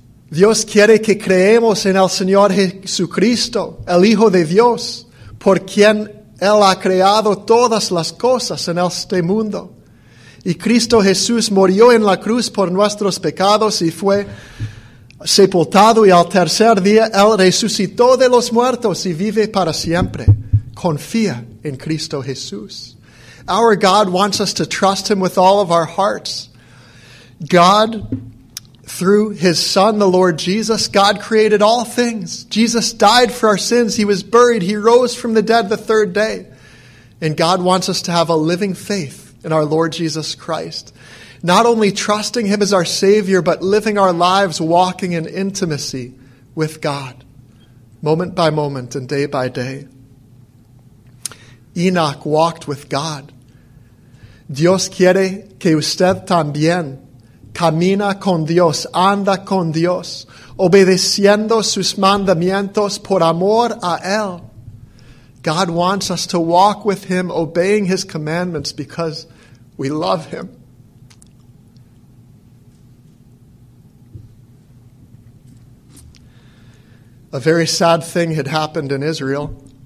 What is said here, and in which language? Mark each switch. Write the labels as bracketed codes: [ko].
[es] Dios quiere que creemos en el Señor Jesucristo, el Hijo de Dios, por quien Él ha creado todas las cosas en este mundo. Y Cristo Jesús murió en la cruz por nuestros pecados y fue sepultado y al tercer día Él resucitó de los muertos y vive para siempre. Confía en Cristo Jesús. [en] Our God wants us to trust him with all of our hearts. God, through his Son, the Lord Jesus, God created all things. Jesus died for our sins. He was buried. He rose from the dead the third day. And God wants us to have a living faith in our Lord Jesus Christ. Not only trusting him as our Savior, but living our lives walking in intimacy with God, moment by moment and day by day. Enoch walked with God. [es] Dios quiere que usted también camina con Dios, anda con Dios, obedeciendo sus mandamientos por amor a Él. [en] God wants us to walk with him, obeying his commandments because we love him. A very sad thing had happened in Israel.